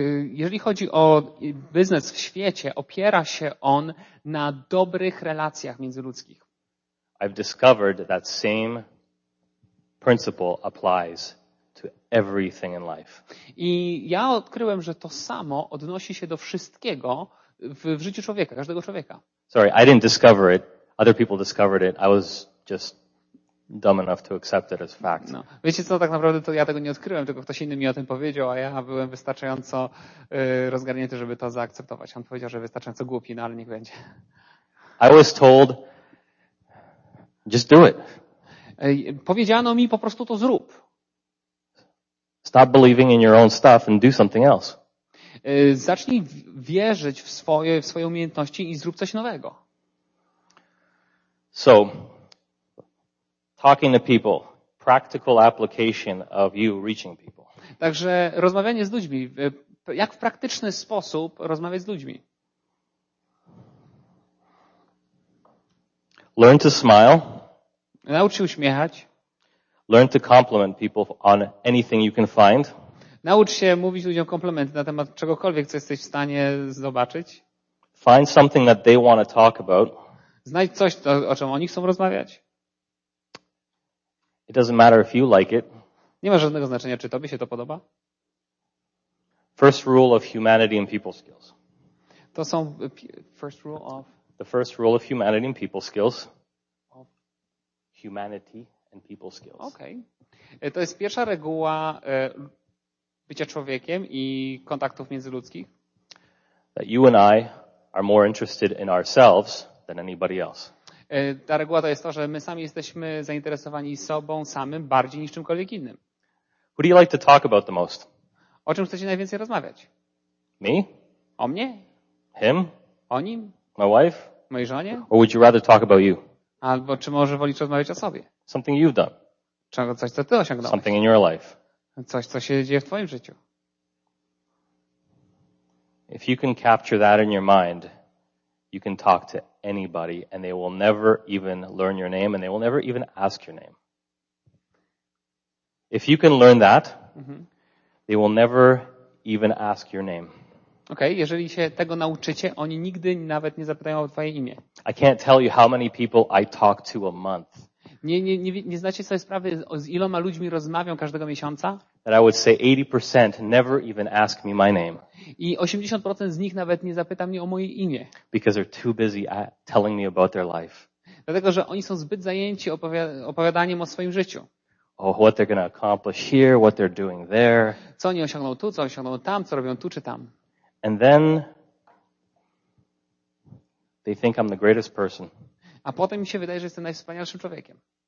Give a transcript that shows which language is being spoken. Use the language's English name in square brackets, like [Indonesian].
[Polish] Jeżeli chodzi o biznes w świecie, opiera się on na dobrych relacjach międzyludzkich. [English] I've discovered that same principle applies to everything in life. [Polish] I ja odkryłem, że to samo odnosi się do wszystkiego w życiu człowieka, każdego człowieka. [English] Sorry, I didn't discover it. Other people discovered it. I was just dumb enough to accept it as fact. [Polish] No. Wiecie co, tak naprawdę to ja tego nie odkryłem, tylko ktoś inny mi o tym powiedział, a ja byłem wystarczająco rozgarnięty, żeby to zaakceptować. On powiedział, że wystarczająco głupi, no ale niech będzie. [English] I was told, just do it. [Polish] Powiedziano mi, po prostu to zrób. [English] Stop believing in your own stuff and do something else. [Polish] Zacznij wierzyć w swoje umiejętności i zrób coś nowego. [English] So, talking to people, practical application of you reaching people. [Polish] Także rozmawianie z ludźmi, jak w praktyczny sposób rozmawiać z ludźmi. [English] Learn to smile. [Polish] Nauczy się uśmiechać. [English] Learn to compliment people on anything you can find. [Polish] Naucz się mówić ludziom komplementy na temat czegokolwiek, co jesteś w stanie zobaczyć. [English] Find something that they want to talk about. [Polish] Znajdź coś, o czym oni chcą rozmawiać. [English] It doesn't matter if you like it. [Polish] Nie ma żadnego znaczenia, czy tobie się to podoba. [English] First rule of humanity and people skills. [Polish] To są [English] first rule of. The first rule of humanity and people skills. Of humanity and people skills. Okay. [Polish] To jest pierwsza reguła bycia człowiekiem i kontaktów międzyludzkich. [English] That you and I are more interested in ourselves than anybody else. [Polish] Ta reguła to jest to, że my sami jesteśmy zainteresowani sobą samym bardziej niż czymkolwiek innym. [English] Who do you like to talk about the most? [Polish] O czym chcecie najwięcej rozmawiać? [English] Me? [Polish] O mnie? [English] Him? [Polish] O nim? [English] My wife? [Polish] Mojej żonie? [English] Or would you rather talk about you? [Polish] Albo czy może wolisz rozmawiać o sobie? [English] Something you've done. [Polish] Coś, co ty osiągnąłeś. [English] Something in your life. [Polish] Coś, co się dzieje w twoim życiu. [English] If you can capture that in your mind, you can talk to anybody and they will never even learn your name and they will never even ask your name. If you can learn that, they will never even ask your name. [Polish] Okay, jeżeli się tego nauczycie, oni nigdy nawet nie zapytają o twoje imię. [English] I can't tell you how many people I talk to a month. [Polish] Nie znacie sobie sprawy, z iloma ludźmi rozmawiam każdego miesiąca? [English] That I would say 80% never even ask me my name. [Polish] I 80% z nich nawet nie zapyta mnie o moje imię. [English] Because they're too busy telling me about their life. [Polish] Dlatego, że oni są zbyt zajęci opowiadaniem o swoim życiu. [English] Oh, what they're going to accomplish here, what they're doing there. [Polish] Co oni osiągną tu, co osiągną tam, co robią tu czy tam. [English] And then they think I'm the greatest person. [Polish] A potem mi się wydaje, że jestem najwspanialszym człowiekiem.